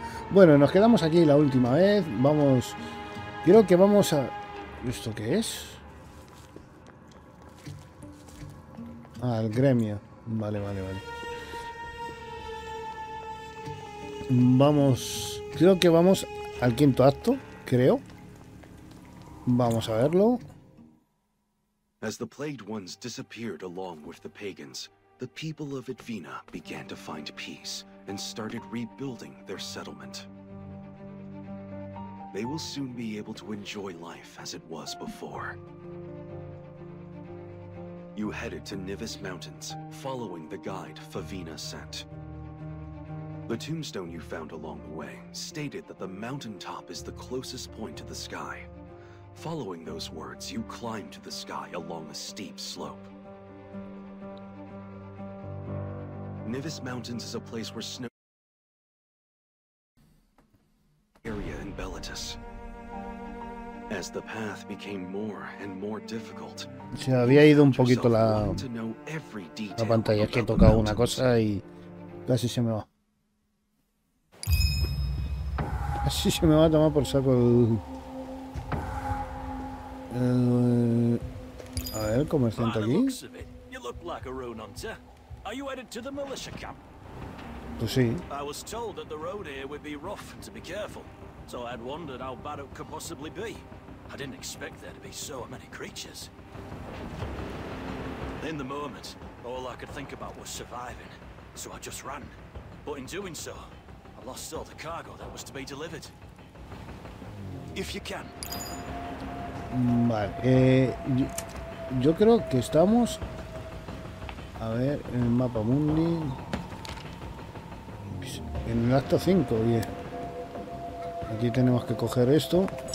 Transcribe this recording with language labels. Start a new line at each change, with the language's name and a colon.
Spanish: Bueno, nos quedamos aquí la última vez, vamos, creo que vamos a... ¿Esto qué es? Al gremio, vale. Vamos, creo que vamos al quinto acto, creo. Vamos a verlo.
English: As the plagued ones disappeared along with the pagans, the people of Edvina began to find peace and started rebuilding their settlement. They will soon be able to enjoy life as it was before. You headed to Nivis Mountains, following the guide Favina sent. The tombstone you found along the way stated that the mountaintop is the closest point to the sky. Following those words, you climbed to the sky along a steep slope. Nivis Mountains is a place where snow... ...area in Bellatus. As the path became more and more difficult...
Spanish: Se había ido un poquito la pantalla, es que he tocado una cosa y... Casi se me va. Casi se me va a tomar por saco el... A ver, ¿cómo está aquí?
English: You look like a rune hunter. Are you headed to the militia camp?
Spanish: Pues sí.
English: I was told that the road here would be rough and to be careful. So I had wondered how bad it could possibly be. I didn't expect there to be so many creatures. In the moment, all I could think about was surviving. So I just ran. But in doing so, I lost all the cargo that was to be delivered. If you can.
Spanish: Vale, yo creo que estamos. A ver, en el mapa mundi. En el acto 5, oye. Aquí tenemos que coger esto.